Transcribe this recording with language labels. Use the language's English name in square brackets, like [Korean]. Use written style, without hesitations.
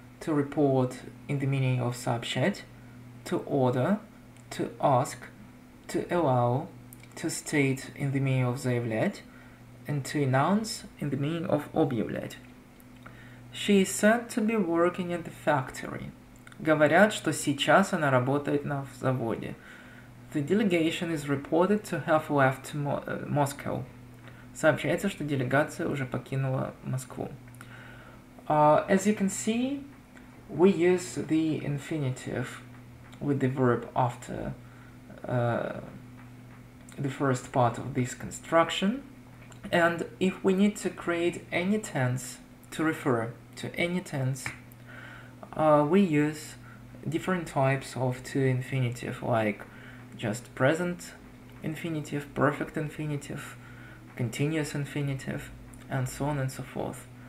[English] to report in the meaning of subject, to order, to ask, to allow, to state in the meaning of заявлять, and to announce in the meaning of объявлять. She is said to be working at the factory. [Russian] Говорят, что сейчас она работает на заводе. [English] The delegation is reported to have left Moscow. [Russian] Сообщается, что делегация уже покинула Москву. [English] As you can see, we use the infinitive with the verb after the first part of this construction. And if we need to create any tense to refer to any tense, we use different types of two infinitive, like just present infinitive, perfect infinitive, continuous infinitive, and so on and so forth.